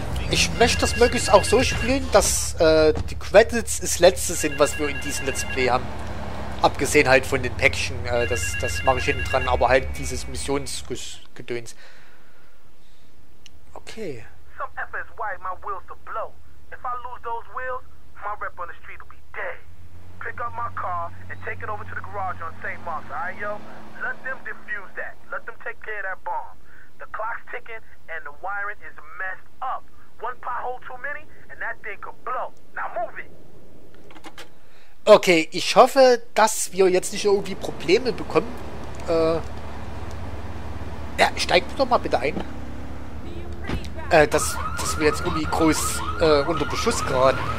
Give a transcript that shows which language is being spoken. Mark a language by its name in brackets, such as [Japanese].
[German] Ich möchte das möglichst auch so spielen, dass die Credits das letzte sind, was wir in diesem Let's Play haben. Abgesehen halt von den Päckchen, das mache ich hinten dran, aber halt dieses Missionsgedöns. [English] Okay. Some effort is why my wheels to blow. If I lose those wheels, my rep on the street will be dead. Pick up my car and take it over to the garage on St. Mark's, alright yo? Let them defuse that. Let them take care of that bomb. The clock's ticking and the wiring is messed up. One pothole too many and that thing could blow. Now move it. [German] Okay, ich hoffe, dass wir jetzt nicht irgendwie Probleme bekommen. Ja, steig doch mal bitte ein. Dass wir jetzt irgendwie groß unter Beschuss geraten.